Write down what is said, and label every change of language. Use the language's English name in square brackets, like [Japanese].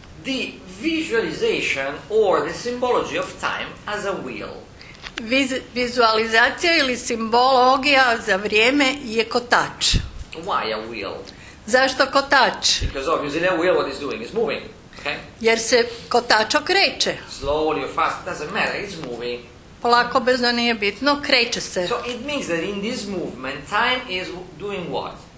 [English] The visualization or the symbology of time as a wheel. [Croatian] Vizualizacija ili simbologija za vrijeme je kotač. [English] Why a wheel? [Croatian] Zašto kotač? [English] Because obviously a wheel what is doing is moving. Okay? [Croatian] Jer se kotač okreće. [English] Slowly or fast, doesn't matter, it's moving. [Croatian] Polako, brzo, nije bitno, kreće se. [English] So it means that in this movement time is doing what?